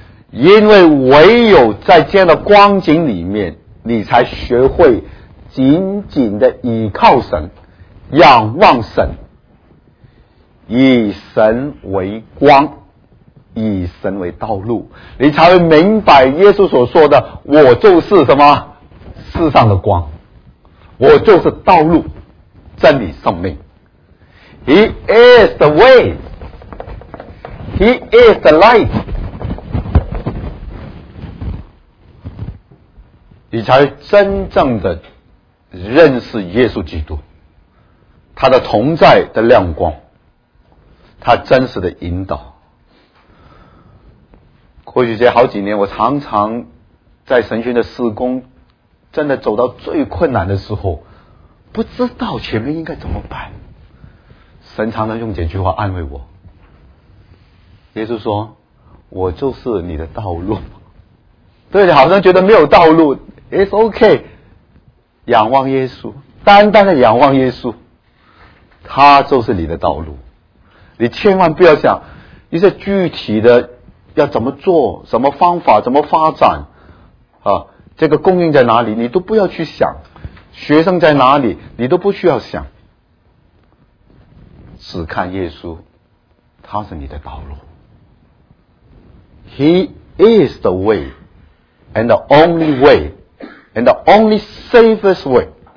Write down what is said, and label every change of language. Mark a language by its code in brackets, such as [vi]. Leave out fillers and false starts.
[zh] 因为唯有在这样的光景里面，你才学会紧紧的倚靠神，仰望神，以神为光，以神为道路，你才会明白耶稣所说的我就是什么世上的光，我就是道路、真理、生命。 [en] He is the way, He is the light。 [zh] 你才真正的认识耶稣基督，他的同在的亮光，他真实的引导。过去这好几年，我常常在神学的事工真的走到最困难的时候，不知道前面应该怎么办，神常常用这句话安慰我。耶稣说我就是你的道路，对，好像觉得没有道路， [en] It's OK， [zh] 仰望耶稣，单单的仰望耶稣，他就是你的道路。你千万不要想一些具体的要怎么做、什么方法、怎么发展啊，这个供应在哪里你都不要去想，学生在哪里你都不需要想，只看耶稣，他是你的道路。 [en] He is the way and the only way and the only safest way。